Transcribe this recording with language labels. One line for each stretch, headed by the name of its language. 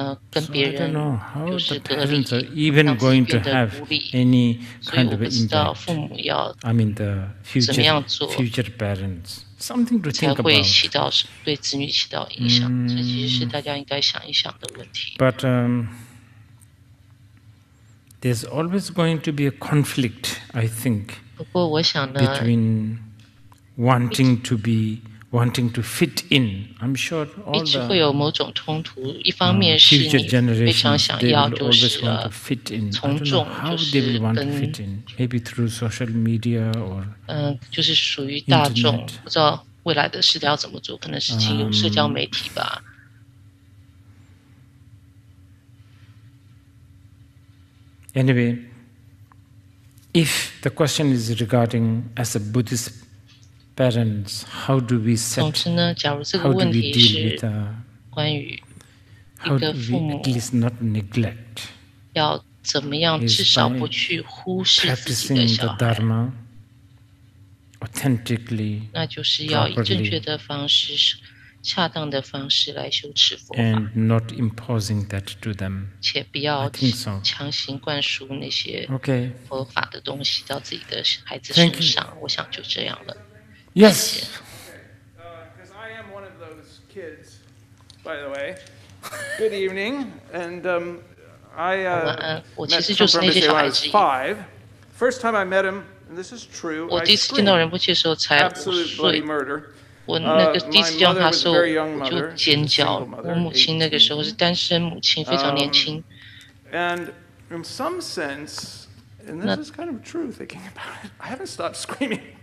Chinese: 跟别人就是隔离，就是跟别人隔离，让自己变得独立。所以我不知道父母要怎么样做，才会起到对子女起到影响。这其实是大家应该想一想的问题。
English: But there's always going to be a conflict, I think,
Chinese: 不过我想呢
English: between wanting to be. Wanting to fit in, I'm sure all the
Chinese: 一直会有某种冲突。一方面是你非常想要就是从众，就是跟
English: how they will want to fit in, maybe through social media or
Chinese: 就是属于大众，不知道未来的世代要怎么做，可能是经由社交媒体吧。
English: Anyway, if the question is regarding as a Buddhist. Parents, how do we set?
Chinese: 总之呢，假如这个问题是关于一个父母
English: at least not neglect,
Chinese: 要怎么样，至少不去忽视自己的小孩。
English: Practicing the Dharma authentically,
Chinese: 那就是要以正确的方式、恰当的方式来修持佛法。
English: And not imposing that to them.
Chinese: 且不要强行灌输那些佛法的东西到自己的孩子身上。我想就这样了。
English: Yes. Because I am one of those kids, by the way. Good evening. And First time I met him, and this is true.
Chinese: 我第一次见到人不切的时候才
English: absolutely murder.
Chinese: 我那个第一次见到他的时候我就尖叫。我母亲那个时候是单身母亲，非常年轻。
English: And in some sense, and this is kind of true thinking about it, I haven't stopped screaming.